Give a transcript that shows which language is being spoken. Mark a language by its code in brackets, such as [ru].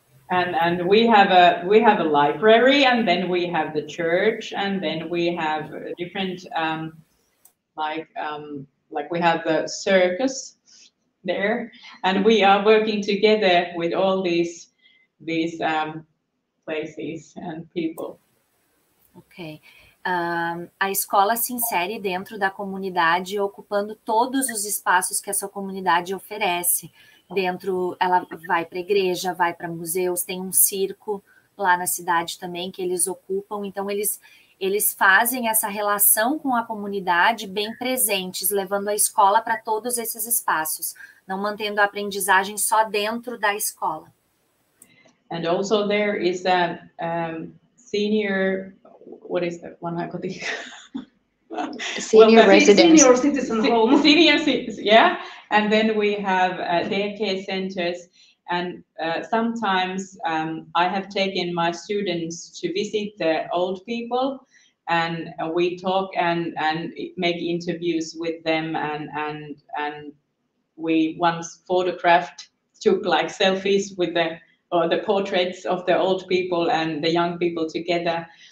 [en] And we have a library, and then we have the church, and then we have different we have the circus there, and we are working together with all these places and people. Okay. [pt] A escola se insere dentro da comunidade, ocupando todos os espaços que essa comunidade oferece. Dentro, ela vai para a igreja, vai para museus, tem um circo lá na cidade também que eles ocupam. Então, eles fazem essa relação com a comunidade bem presentes, levando a escola para todos esses espaços, não mantendo a aprendizagem só dentro da escola. [en] And also there is that senior, what is that one? Senior well, residence. Senior citizen home. Senior citizen, yeah. And then we have daycare centers. And sometimes I have taken my students to visit the old people, and we talk and make interviews with them, and we once photographed, took like selfies with the or the portraits of the old people and the young people together.